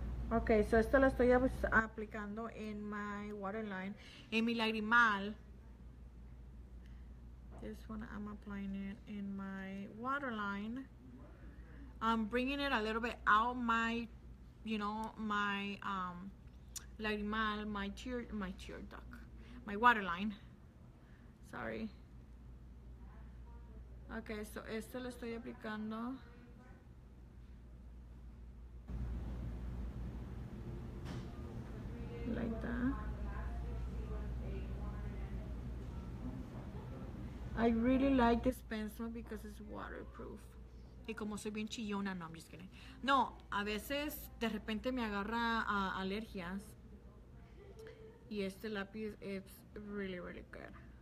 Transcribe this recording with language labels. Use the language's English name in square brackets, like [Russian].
[Spanish] Ok, so esto lo estoy aplicando en [English] my waterline. [Spanish] En mi lagrimal. [English] This one I'm applying it in my waterline. I'm bringing it a little bit out my, you know, my lagrimal, my tear duct, my waterline. Sorry. [Spanish] Ok, so esto lo estoy aplicando. [English] I really like this pencil because it's waterproof. [Spanish] Y como soy bien chillona, no, [English] I'm just kidding. [Spanish] No, a veces de repente me agarra alergias. Y este lápiz es [English] really, really good.